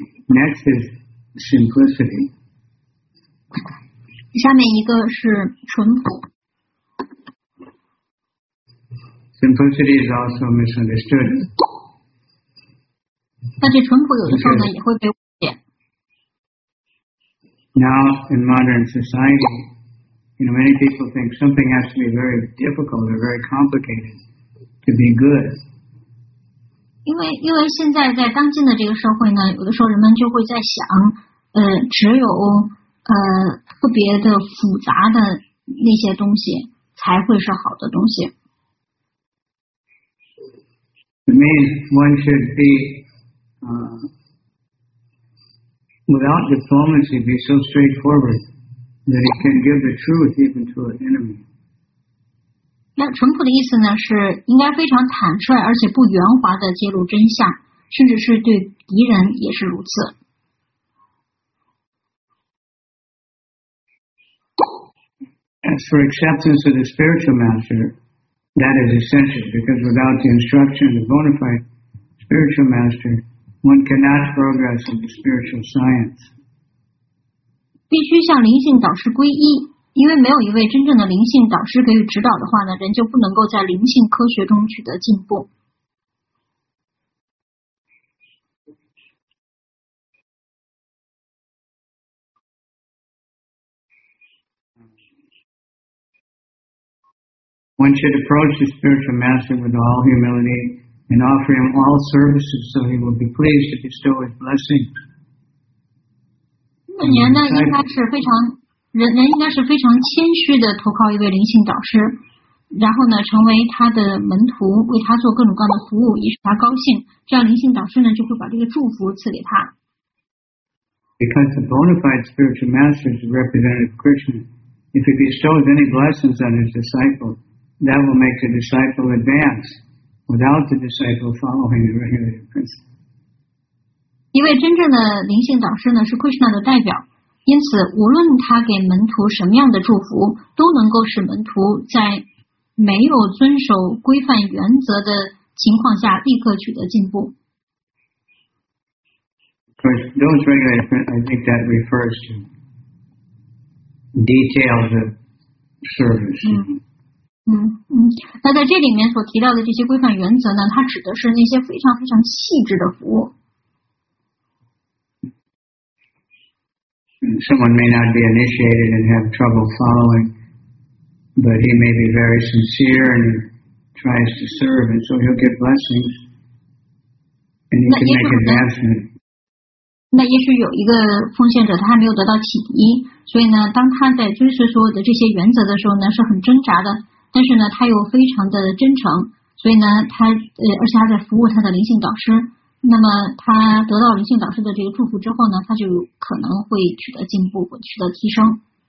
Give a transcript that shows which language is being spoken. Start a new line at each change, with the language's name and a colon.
English: Next is simplicity.
Chinese: 下面一个是淳朴。
English: Simplicity is also misunderstood.
Chinese: 但是淳朴有的时候呢也会被误解。
English: Now in modern society, you know, many people think something has to be very difficult or very complicated to be good.
Chinese: 因为现在在当今的这个社会呢，有的时候人们就会在想，只有特别的复杂的那些东西才会是好的东西。
English: The main one should be, without diplomacy, be so straightforward that it can give the truth even to an enemy.
Chinese: 那淳朴的意思呢，是应该非常坦率而且不圆滑的揭露真相，甚至是对敌人也是如此。
English: As for acceptance of the spiritual master, that is essential because without the instruction of the bona fide spiritual master, one cannot progress in the spiritual science.
Chinese: 必须向灵性导师皈依。因为没有一位真正的灵性导师给予指导的话呢，人就不能够在灵性科学中取得进步。
English: One should approach the spiritual master with all humility and offer him all services so he will be pleased to bestow his blessings.
Chinese: 那年呢，应该是非常人应该是非常谦虚的投靠一位灵性导师，然后呢成为他的门徒，为他做各种各样的服务，以使他高兴，这样灵性导师呢就会把这个祝福赐给他。
English: Because the bona fide spiritual master is a representative of Krishna, if he bestows any blessings on his disciple, that will make the disciple advance without the disciple following the regulative principle.
Chinese: 一位真正的灵性导师呢是 Krishna 的代表，因此无论他给门徒什么样的祝福，都能够使门徒在没有遵守规范原则的情况下立刻取得进步。
English: Of course, those regulations, I think that refers to details of service.
Chinese: 那在这里面所提到的这些规范原则呢，它指的是那些非常非常细致的服务。
English: Someone may not be initiated and have trouble following, but he may be very sincere and tries to serve, and so he'll get blessings and he can make advancement.
Chinese: 那也许有一个奉献者，他还没有得到启迪，所以呢，当他在遵守所有的这些原则的时候呢，是很挣扎的。但是呢，他又非常的真诚，所以呢，他而且他在服务他的灵性导师。那么他得到灵性导师的这个祝福之后呢，他就可能会取得进步，取得提升。